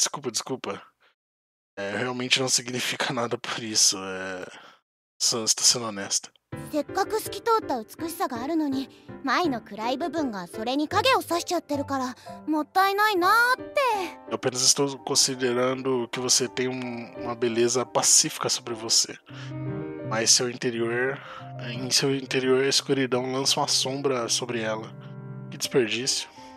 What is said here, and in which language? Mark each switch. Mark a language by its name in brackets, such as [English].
[Portuguese] desculpa. Realmente não significa nada por isso. Só estou sendo honesta. [Japanese] せっかく透き通った美しさがあるのに、舞の暗い部分がそれに影を差しちゃってるから、もったいないなって。 [Portuguese] Apenas estou considerando que você tem uma beleza pacífica sobre você. Mas em seu interior, a escuridão lança uma sombra sobre ela. Que desperdício.